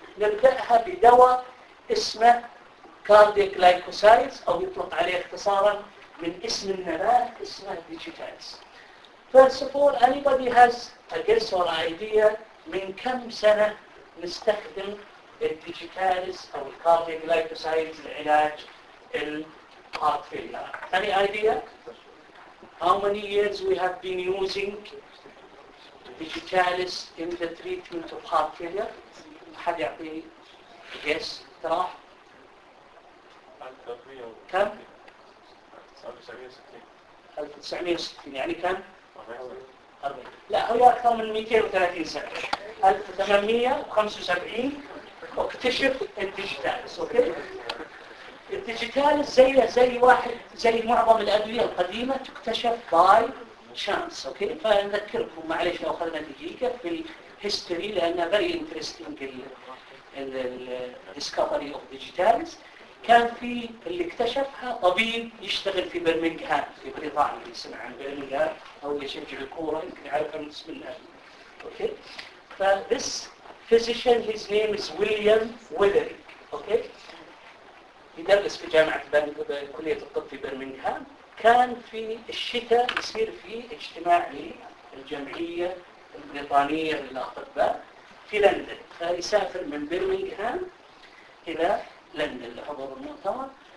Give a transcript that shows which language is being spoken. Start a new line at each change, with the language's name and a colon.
Arabic: نبدأها بدواء اسمه كاردياك لايكوسايدز أو يطلق عليه اختصاراً من اسم النبات اسمه ديجيتايز.
English: First of all, anybody has a guess or idea
Arabic: من كم سنة نستخدم الديجيتايز أو الكاردياك لايكوسايدز لعلاج الهارت فيلر؟
English: Any idea? How many years we have been using digitalis in the treatment of heart failure?
Arabic: حد يعطي guess تراح؟ كم؟ 1960 يعني كم؟ 40 لا هي أكثر من 230 سنة 1875 اكتشف الديجيتالس. أوكي؟ الديجيتالس زي واحد زي معظم الأدوية القديمة تكتشف باي شانس. أوكي؟ فنذكركم معلش لو أخذنا دقيقة في الهيستوري لأنها
English: very interesting
Arabic: الديسكفري أوف ديجيتالس. كان في اللي اكتشفها طبيب يشتغل في برمنغهام في بريطانيا اللي يسمع عن برمنغهام او يشجع الكوره يمكن يعرف من اسم الاهلي.
English: Okay? ف this physician his name is William Withering.
Arabic: اوكي؟ يدرس في كليه الطب في برمنغهام. كان في الشتاء يصير في اجتماع للجمعيه البريطانيه للاطباء في لندن، فيسافر من برمنغهام الى لندن لحضور المؤتمر.